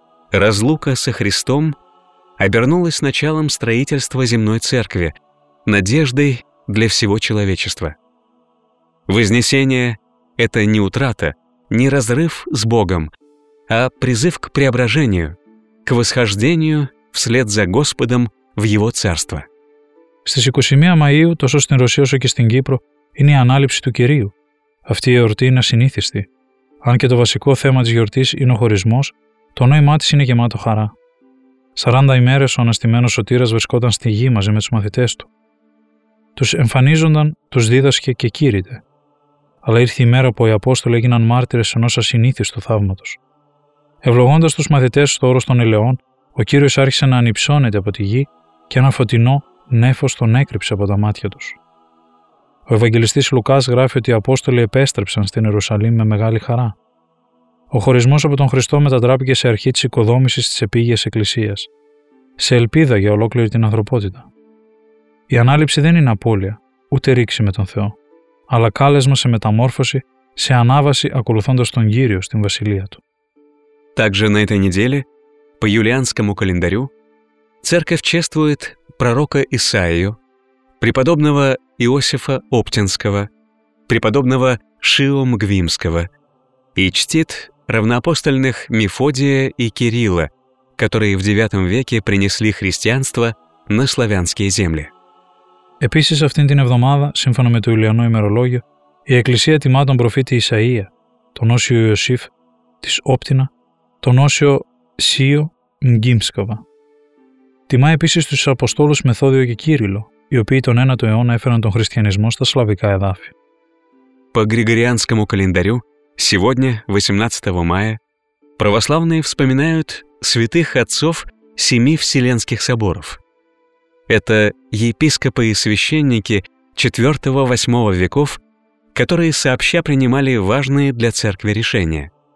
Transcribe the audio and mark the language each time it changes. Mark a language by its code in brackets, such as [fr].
[ru] Разлука со Христом обернулась началом строительства земной церкви, надеждой для всего человечества. Вознесение — это не утрата, не разрыв с Богом, а призыв к преображению, к восхождению вслед за Господом в Его Царство. [el] Στις 21 Μαΐου, τόσο στην Ρωσία όσο και στην Κύπρο, είναι η ανάληψη του Κυρίου. Αυτή η εορτή είναι ασυνήθιστη. Αν και το βασικό θέμα της γιορτής είναι ο χωρισμός, το νόημά της είναι γεμάτο χαρά. 40 ημέρες ο αναστημένος Σωτήρας βρισκόταν στη γη μαζί με τους μαθητές του. Τους εμφανίζονταν, τους δίδασκε και κήρυτε. Αλλά ήρθε η μέρα που οι Απόστολοι έγιναν μάρτυρες ενός ασυνήθιστου θαύματος. Ευλογώντας τους μαθητές στο όρος των ελαιών, ο Κύριος άρχισε να ανυψώνεται από τη γη και ένα φωτεινό νέφος τον έκρυψε από τα μάτια τους. Ο Ευαγγελιστής Λουκάς γράφει ότι οι Απόστολοι επέστρεψαν στην Ιερουσαλήμ με μεγάλη χαρά. Ο χωρισμός από τον Χριστό μετατράπηκε σε αρχή της οικοδόμησης της επίγειας Εκκλησίας, σε ελπίδα για ολόκληρη την ανθρωπότητα. Η ανάληψη δεν είναι απώλεια, ούτε ρήξη με τον Θεό, αλλά κάλεσμα σε μεταμόρφωση, σε ανάβαση ακολουθώντας τον Κύριο στην Βασιλεία Του. [ru] Также на этой неделе, по юлианскому календарю, церковь чествует пророка Исаию, преподобного Иосифа Оптинского, преподобного Шио Мгвимского и чтит равноапостольных Мефодия и Кирилла, которые в IX веке принесли христианство на славянские земли. [el] Επίσης αυτήν την εβδομάδα, σύμφωνα με το Ιουλιανό ημερολόγιο, η Εκκλησία τιμά τον προφήτη Ισαΐα, τον Όσιο Ιωσήφ, της Όπτινα, τον Όσιο Σίο Μγκίμσκαβα. Τιμά επίσης τους Αποστόλους Μεθόδιο και Κύριλο, οι οποίοι τον 9ο αιώνα έφεραν τον χριστιανισμό στα σλαβικά εδάφη. [ru] По григорианскому календарю, сегодня, 18 мая, православные вспоминают святых отцов семи вселенских соборов. Это епископы и священники 4-8 веков, которые сообща принимали важные для церкви решения.